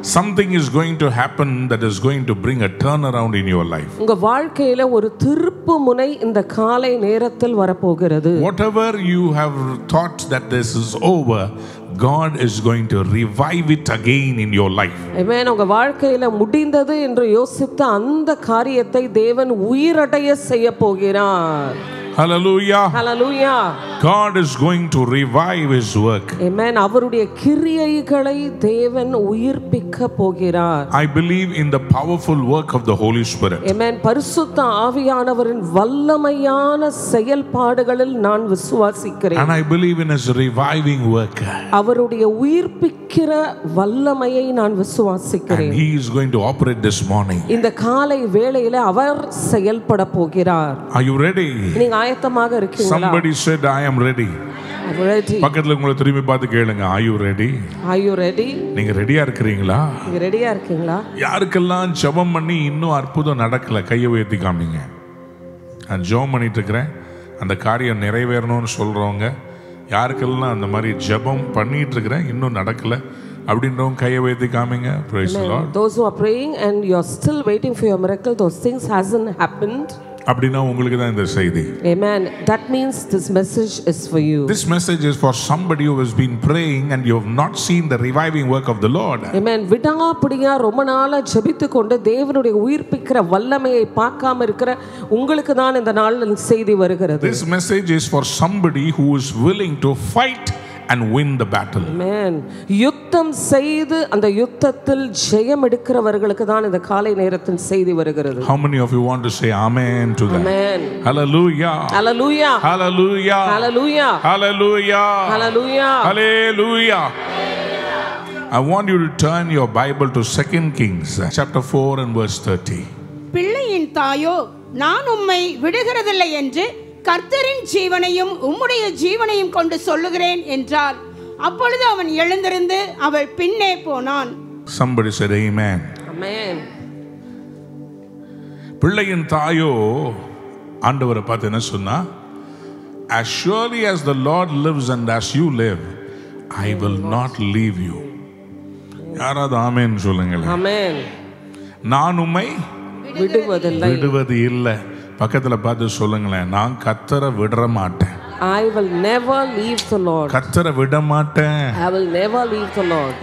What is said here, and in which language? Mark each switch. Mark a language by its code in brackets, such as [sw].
[en] Something is going to happen that is going to bring a turn around in your life. [ta] உங்க வாழ்க்கையில ஒரு திருப்பு முனை இந்த காலை நேரத்தில் வரப்போகிறது. [en] Whatever you have thought that this is over, God is going to revive it again in your life. Amen. [ta] உங்க வாழ்க்கையில முடிந்தது என்று யோசித்த அந்த காரியத்தை தேவன் உயிரடைய செய்ய போகிறார். [en] Hallelujah. Hallelujah. God is going to revive his work. Amen. [ta] அவருடைய கிரியைகளை தேவன் உயிர்ப்பிக்க போகிறார். [en] I believe in the powerful work of the Holy Spirit. Amen. [ta] பரிசுத்த ஆவியானவரின் வல்லமையான செயல்பாடுகளில் நான் விசுவாசிக்கிறேன். [en] And I believe in his reviving work. [ta] அவருடைய உயிர்ப்பிக்கிற வல்லமையை நான் விசுவாசிக்கிறேன். [en] And he is going to operate this morning. [ta] இந்த காலை வேளையில அவர் செயல்பட போகிறார். [en] Are you ready? [ta] ஆயத்தமாக இருக்கீங்களா? [en] Somebody said I am ready. [ta] பக்கத்துல உங்களை திரும்பி பார்த்து கேளுங்க, [en] are you ready? Are you ready? [ta] நீங்க ரெடியா இருக்கீங்களா? நீங்க ரெடியா இருக்கீங்களா? யாருக்கெல்லாம் ஜெபம் பண்ணி இன்னும் அற்புதம் நடக்கல கையை உயர்த்தி காமிங்க. நான் ஜெபம் பண்ணிட்டு இருக்கிறேன், அந்த காரியம் நிறைவேறணும்னு சொல்றவங்க யாருக்கெல்லாம் அந்த மாதிரி ஜெபம் பண்ணிட்டு இருக்கிறேன் இன்னும் நடக்கல அப்படின்றவங்க கையை உயர்த்தி காமிங்க. [en] Praise the Lord. Those who are praying and you are still waiting for your miracle, those things hasn't happened. [ta] அப்படின்னா உங்களுக்கு தான் இந்த செய்தி. [en] Amen. That means this message is for you. This message is for somebody who has been praying and you have not seen the reviving work of the Lord. Amen. [ta] விடாப்பிடியா ரொம்ப நாளா ஜெபித்து கொண்டு தேவனுடைய உயிர்ப்பிக்கிற வல்லமையை பார்க்காம இருக்கிற உங்களுக்கு தான் இந்த நாள் செய்தி வருகிறது. [en] This message is for somebody who is willing to fight and win the battle. Amen. [ta] யுத்தம் செய்து அந்த யுத்தத்தில் ஜெயம் எடுக்கிறவர்களுக்கு தான் இந்த காலை நேரத்தின் செய்தி வருகிறது. [en] How many of you want to say amen to that? Amen. Hallelujah. Hallelujah. Hallelujah. Hallelujah. Hallelujah. Hallelujah. Hallelujah. I want you to turn your Bible to 2 Kings chapter 4 and verse 30. [ta] பிள்ளையின் தாயோ நான் உம்மை விடுகிறதில்லை என்று கர்த்தரின் ஜீவனையும் உம்முடைய ஜீவனையும் கொண்டு சொல்லுகிறேன் என்றார். அப்பொழுது அவன் எழுந்திருந்து அவள் பின்னே போனான். [en] Somebody said amen. Amen. [ta] பிள்ளையின் தாயோ ஆண்டவரை பார்த்து என்ன சொன்னா, [en] as surely as the Lord lives and as you live, I will not leave you. [ta] யாராவது ஆமென் சொல்லுங்களே. [en] Amen. [ta] நான் உம்மை விடுவதில்லை. விடுவது இல்லை. பக்கத்துல பார்த்து சொல்லுங்களேன், நான் கர்த்தரை விட மாட்டேன். [en] I will never leave the Lord. [ta] கர்த்தரை விட மாட்டேன். [en] I will never leave the Lord.